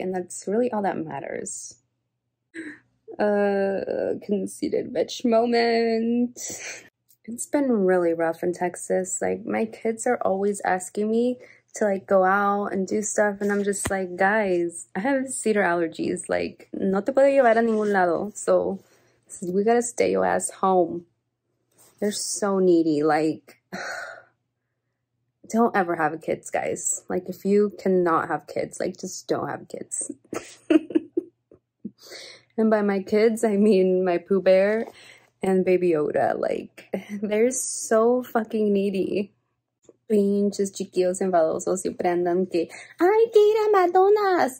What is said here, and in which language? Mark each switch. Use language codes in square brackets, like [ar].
[en] And that's really all that matters. Conceited bitch moment. It's been really rough in Texas. Like, my kids are always asking me to like go out and do stuff, and I'm just like, guys, I have cedar allergies. [es] Like, no te puedo llevar a ningún lado. [en] So, we gotta stay your ass home. They're so needy. Like, don't ever have kids, guys. Like, if you cannot have kids, like, just don't have kids. And by my kids, I mean my Pooh Bear and Baby Yoda. Like, they're so fucking needy. [es] Pinches chiquillos enfadosos siempre andan que, ¡ay, hay que ir a Madonna's!